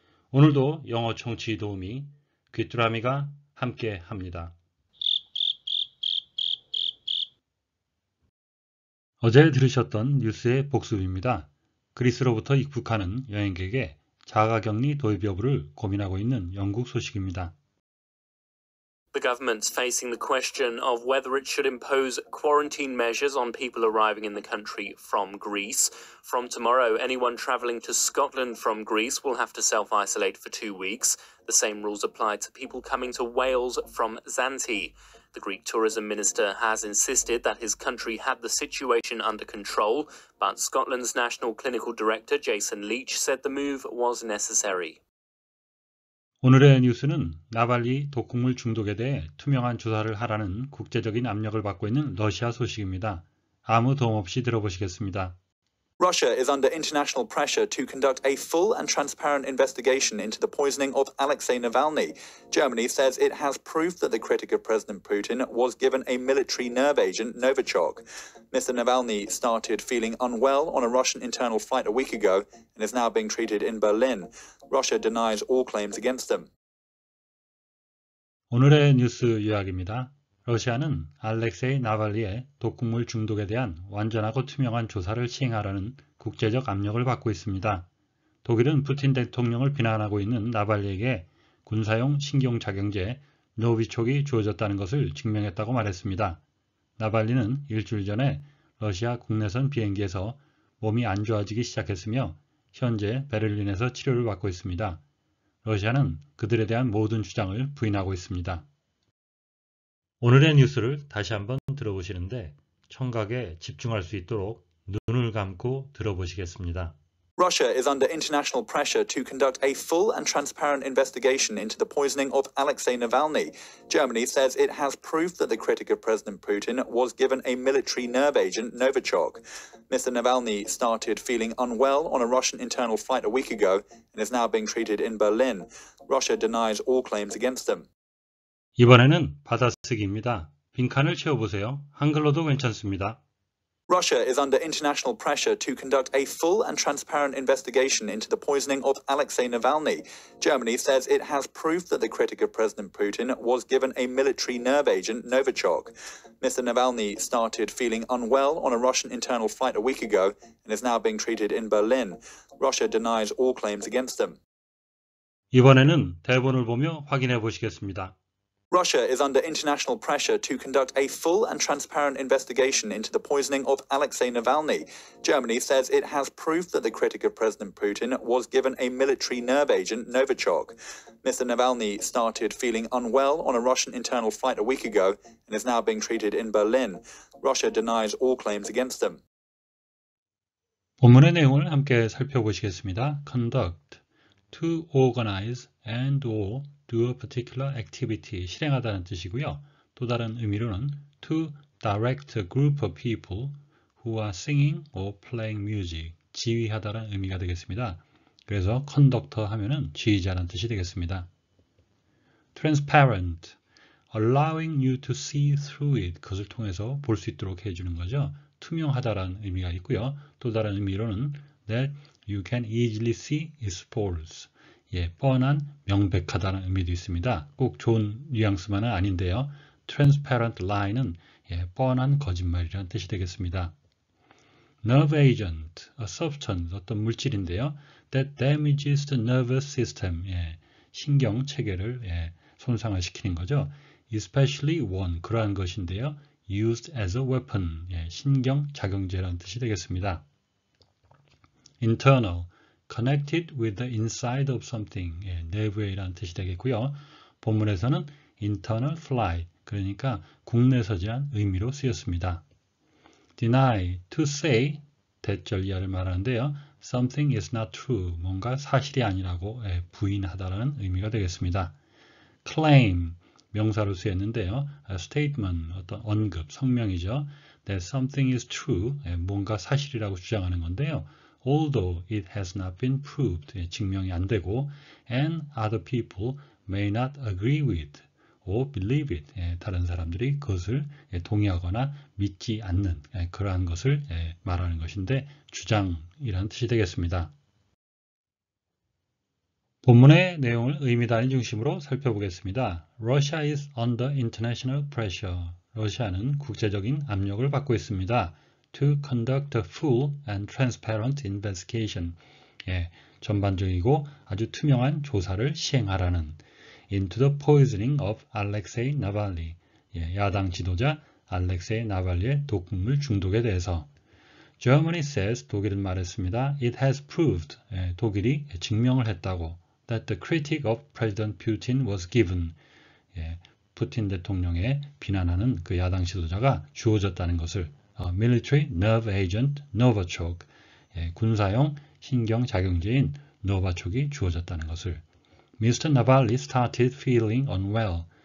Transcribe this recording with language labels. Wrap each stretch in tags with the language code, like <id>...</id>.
<ko>오늘도 영어 청취 도우미 귀뚜라미가 함께 합니다. 어제 들으셨던 뉴스의 복습입니다. 그리스로부터 입국하는 여행객의 자가격리 도입 여부를 고민하고 있는 영국 소식입니다.</ko> <en>The government's facing the question of whether it should impose quarantine measures on people arriving in the country from Greece. From tomorrow, anyone travelling to Scotland from Greece will have to self-isolate for 2 weeks. The same rules apply to people coming to Wales from Zante. The Greek tourism minister has insisted that his country had the situation under control, but Scotland's national clinical director Jason Leach said the move was necessary.</en> <ko>오늘의 뉴스는 나발리 독극물 중독에 대해 투명한 조사를 하라는 국제적인 압력을 받고 있는 러시아 소식입니다. 아무 도움 없이 들어보시겠습니다.</ko> <en>Russia is under international pressure to conduct a full and transparent investigation into the poisoning of Alexei Navalny. Germany says it has proof that the critic of President Putin was given a military nerve agent, Novichok. Mr. Navalny started feeling unwell on a Russian internal flight a week ago and is now being treated in Berlin. Russia denies all claims against him.</en> <ko>오늘의 뉴스 요약입니다. 러시아는 알렉세이 나발리의 독극물 중독에 대한 완전하고 투명한 조사를 시행하라는 국제적 압력을 받고 있습니다. 독일은 푸틴 대통령을 비난하고 있는 나발리에게 군사용 신경작용제 노비촉이 주어졌다는 것을 증명했다고 말했습니다. 나발리는 일주일 전에 러시아 국내선 비행기에서 몸이 안 좋아지기 시작했으며 현재 베를린에서 치료를 받고 있습니다. 러시아는 그들에 대한 모든 주장을 부인하고 있습니다. 오늘의 뉴스를 다시 한번 들어보시는데 청각에 집중할 수 있도록 눈을 감고 들어보시겠습니다.</ko> <en>Russia is under international pressure to conduct a full and transparent investigation into the poisoning of Alexei Navalny. Germany says it has proof that the critic of President Putin was given a military nerve agent, Novichok. Mr. Navalny started feeling unwell on a Russian internal flight a week ago and is now being treated in Berlin. Russia denies all claims against him.</en> <ko>이번에는 받아쓰기입니다. 빈칸을 채워보세요. 한글로도 괜찮습니다.</ko> <en>Russia is under international pressure to conduct a full and transparent investigation into the poisoning of Alexei Navalny. Germany says it has proof that the critic of President Putin was given a military nerve agent, Novichok. Mr. Navalny started feeling unwell on a Russian internal flight a week ago and is now being treated in Berlin. Russia denies all claims against him.</en> <ko>이번에는 대본을 보며 확인해 보시겠습니다.</ko> <en>Russia is under international pressure to conduct a full and transparent investigation into the poisoning of Alexei Navalny. Germany says it has proof that the critic of President Putin was given a military nerve agent, Novichok. Mr. Navalny started feeling unwell on a Russian internal flight a week ago and is now being treated in Berlin. Russia denies all claims against him.</en> <ko>본문의 내용을 함께 살펴보시겠습니다.</ko> <en>Conduct, to organize and or do a particular activity,</en> <ko>실행하다는 뜻이고요. 또 다른 의미로는</ko> <en>to direct a group of people who are singing or playing music,</en> <ko>지휘하다는 의미가 되겠습니다. 그래서 conductor 하면은 지휘자라는 뜻이 되겠습니다.</ko> <en>transparent, allowing you to see through it,</en> <ko>그것을 통해서 볼 수 있도록 해주는 거죠. 투명하다라는 의미가 있고요. 또 다른 의미로는</ko> <en>that you can easily see its faults,</en> <ko>예, 뻔한, 명백하다는 의미도 있습니다. 꼭 좋은 뉘앙스만은 아닌데요. Transparent lie는 예, 뻔한 거짓말이라는 뜻이 되겠습니다.</ko> <en>Nerve agent, a substance,</en> <ko>어떤 물질인데요.</ko> <en>That damages the nervous system,</en> <ko>예, 신경체계를 예, 손상을 시키는 거죠.</ko> <en>Especially one,</en> <ko>그러한 것인데요.</ko> <en>Used as a weapon,</en> <ko>예, 신경작용제라는 뜻이 되겠습니다.</ko> <en>Internal, connected with the inside of something,</en> <ko>예, 내부에라는 뜻이 되겠고요. 본문에서는 internal flight, 그러니까 국내서지한 의미로 쓰였습니다.</ko> <en>deny, to say,</en> <ko>대절 이하를 말하는데요.</ko> <en>something is not true,</en> <ko>뭔가 사실이 아니라고 예, 부인하다라는 의미가 되겠습니다. claim, 명사로 쓰였는데요.</ko> <en>a statement,</en> <ko>어떤 언급, 성명이죠.</ko> <en>that something is true,</en> <ko>예, 뭔가 사실이라고 주장하는 건데요.</ko> <en>although it has not been proved,</en> <ko>증명이 안 되고,</ko> <en>and other people may not agree with, or believe it.</en> <ko>다른 사람들이 그것을 동의하거나 믿지 않는 그러한 것을 말하는 것인데 주장이라는 뜻이 되겠습니다. 본문의 내용을 의미 단위 중심으로 살펴보겠습니다.</ko> <en>Russia is under international pressure.</en> <ko>러시아는 국제적인 압력을 받고 있습니다.</ko> <en>To conduct a full and transparent investigation.</en> <ko>전반적이고 아주 투명한 조사를 시행하라는.</ko> <en>Into the poisoning of Alexei Navalny.</en> <ko>야당 지도자 알렉세이 나발리의 독극물 중독에 대해서.</ko> <en>Germany says,</en> <ko>독일은 말했습니다.</ko> <en>It has proved,</en> <ko>독일이 증명을 했다고.</ko> <en>That the critique of President Putin was given.</en> <ko>푸틴 대통령의 비난하는 그 야당 지도자가 주어졌다는 것을.</ko> <en>Military nerve agent Novichok.</en> <ko>군사용 신경작용제인 노바촉이 주어졌다는 것을.</ko> <en>Mr. Navalny started feeling unwell.</en>